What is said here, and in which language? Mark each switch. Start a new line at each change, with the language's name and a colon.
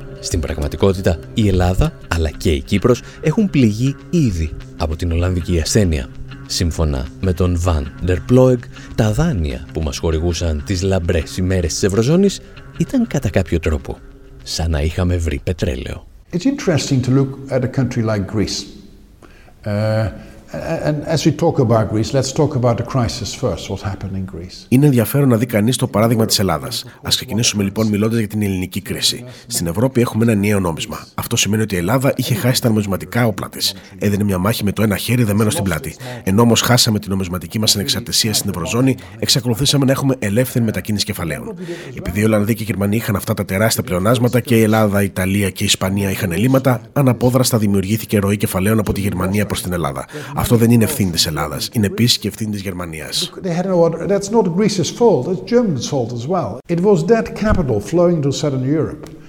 Greek: Στην πραγματικότητα, η Ελλάδα αλλά και η Κύπρος έχουν πληγεί ήδη από την Ολλανδική ασθένεια. Σύμφωνα με τον Van der Ploeg, τα δάνεια που μας χορηγούσαν τις λαμπρές ημέρες της Ευρωζώνης ήταν κατά κάποιο τρόπο σαν να είχαμε βρει πετρέλαιο.
English: It's interesting to look at a country like Greece. And as we talk about Greece, let's talk about the crisis first, what happened in Greece.
Greek: Είναι ενδιαφέρον να δει κανείς το παράδειγμα της Ελλάδας. Ας ξεκινήσουμε λοιπόν μιλώντας για την ελληνική κρίση. Στην Ευρώπη έχουμε ένα νέο νόμισμα. Αυτό σημαίνει ότι η Ελλάδα είχε χάσει τα νομισματικά όπλα της. Έδινε μια μάχη με το ένα χέρι δεμένο στην πλάτη. Ενώ όμως χάσαμε την νομισματική μας ανεξαρτησία στην Ευρωζώνη, εξακολουθήσαμε να έχουμε ελεύθερη μετακίνηση κεφαλαίων. Επειδή οι Ολλανδοί και οι Γερμανοί είχαν αυτά τα τεράστια πλεονάσματα και η Ελλάδα, η Ιταλία και η Ισπανία είχαν ελλείμματα, αναπόδραστα δημιουργήθηκε ροή κεφαλαίων από τη Γερμανία προς την Ελλάδα. Αυτό δεν είναι ευθύνη της Ελλάδας, είναι επίσης και ευθύνη της Γερμανίας.
English: That's not Greece's fault, it's Germany's fault as well. It was that capital flowing to Southern Europe.